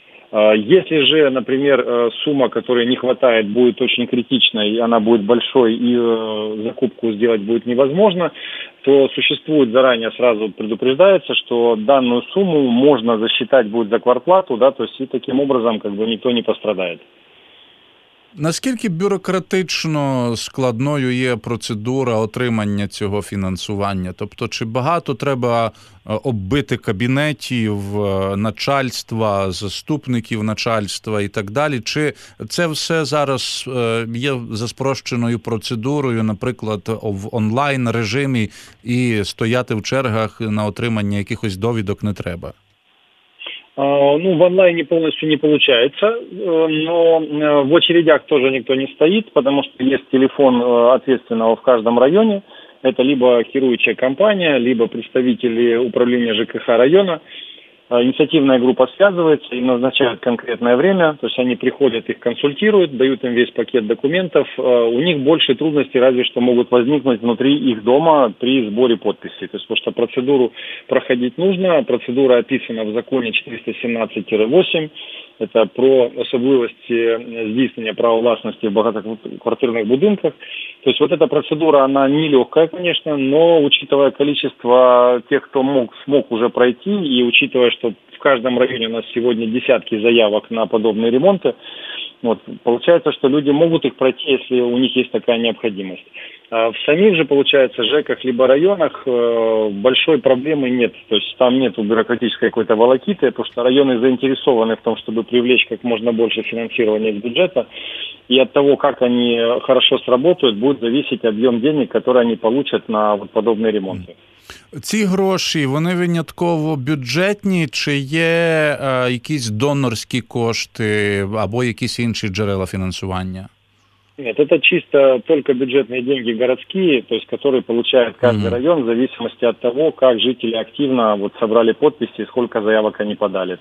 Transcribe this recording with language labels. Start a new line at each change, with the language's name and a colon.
Russian: Если же, например, сумма, которой не хватает, будет очень критичной, она будет большой, и закупку сделать будет невозможно, то существует, заранее сразу предупреждается, что данную сумму можно засчитать будет за квартплату, да, то есть и таким образом как бы никто не пострадает.
Ukrainian: Наскільки бюрократично складною є процедура отримання цього фінансування? Тобто, чи багато треба оббити кабінетів, начальства, заступників начальства і так далі? Чи це все зараз є за спрощеною процедурою, наприклад, в онлайн-режимі, і стояти в чергах на отримання якихось довідок не треба?
Russian: Ну, в онлайне полностью не получается, но в очередях тоже никто не стоит, потому что есть телефон ответственного в каждом районе. Это либо хирургическая компания, либо представители управления ЖКХ района. Инициативная группа связывается и назначает конкретное время. То есть они приходят, их консультируют, дают им весь пакет документов. У них больше трудностей разве что могут возникнуть внутри их дома при сборе подписей. То есть потому что процедуру проходить нужно. Процедура описана в законе 417-8. Это про
Ukrainian: особливости здійснення права власності в багатоквартирных будинках.
Russian: То есть вот эта процедура, она нелегкая, конечно, но учитывая количество тех, кто смог уже пройти, и учитывая, что в каждом районе у нас сегодня десятки заявок на подобные ремонты, вот, получается, что люди могут их пройти, если у них есть такая необходимость. А в самих же, получается, ЖЭКах либо районах большой проблемы нет. То есть там нет бюрократической какой-то волокиты, потому что районы заинтересованы в том, чтобы привлечь как можно больше финансирования из бюджета. И от того, как они хорошо сработают, будет зависеть объем денег, которые они получат на вот подобные ремонты.
Ukrainian: Ці гроші, вони винятково бюджетні, чи є якісь донорські кошти або якісь інші джерела фінансування? Ні, це чисто тільки бюджетні гроші міські, тобто, які отримує кожен район в залежності від того, як жителі активно вот, зібрали підписи і скільки заявок вони подали.